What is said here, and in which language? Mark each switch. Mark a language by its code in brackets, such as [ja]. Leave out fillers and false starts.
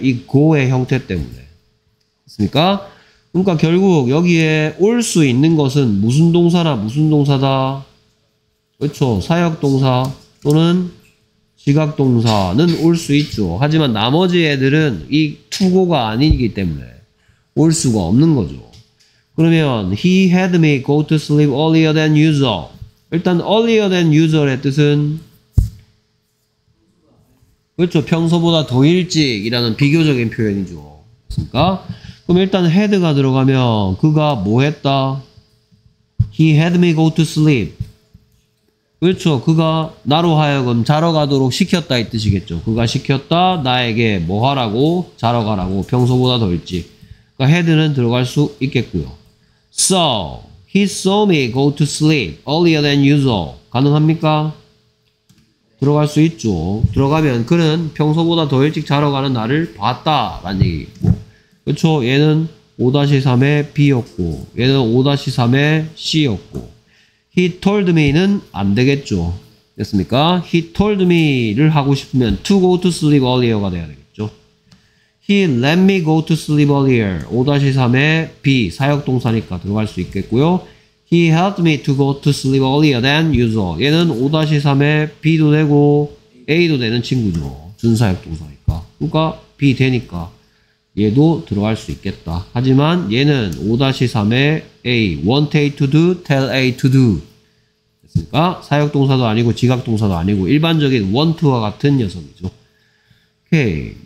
[ko] 이 go의 형태 때문에. 됐습니까? 그러니까 결국 여기에 올 수 있는 것은 무슨 동사나 무슨 동사다? 그렇죠. 사역 동사 또는 지각 동사는 올 수 있죠. 하지만 나머지 애들은 이 투고가 아니기 때문에 올 수가 없는 거죠. [en] 그러면 he had me go to sleep earlier than usual. [ko] 일단 earlier than usual의 뜻은 그렇죠. 평소보다 더 일찍이라는 비교적인 표현이죠. 그렇습니까? 그럼 일단 had가 들어가면 그가 뭐 했다? [en] He had me go to sleep. 그렇죠. [ko] 그가 나로 하여금 자러 가도록 시켰다 이 뜻이겠죠. 그가 시켰다. 나에게 뭐 하라고? 자러 가라고. 평소보다 더 일찍. 그러니까 had는 들어갈 수 있겠고요. [en] So, he saw me go to sleep earlier than usual. [ko] 가능합니까? 들어갈 수 있죠. 들어가면 그는 평소보다 더 일찍 자러 가는 나를 봤다. 라는 얘기겠고. 그렇죠. 얘는 5-3의 B였고 얘는 5-3의 C였고 [en] He told me [ko] 는 안 되겠죠. 됐습니까? [en] He told me를 [ko] 하고 싶으면 [en] to go to sleep earlier가 [ko] 돼야 되겠죠. [en] He let me go to sleep earlier. 5-3의 B. [ko] 사역동사니까 들어갈 수 있겠고요. [en] He helped me to go to sleep earlier than usual. [ko] 얘는 5-3의 B도 되고 A도 되는 친구죠. 준사역동사니까. 그러니까 B 되니까 얘도 들어갈 수 있겠다. 하지만 얘는 5-3의 A. [en] Want A to do, tell A to do. [ko] 됐습니까? 사역동사도 아니고 지각동사도 아니고 일반적인 want와 같은 녀석이죠. 오케이.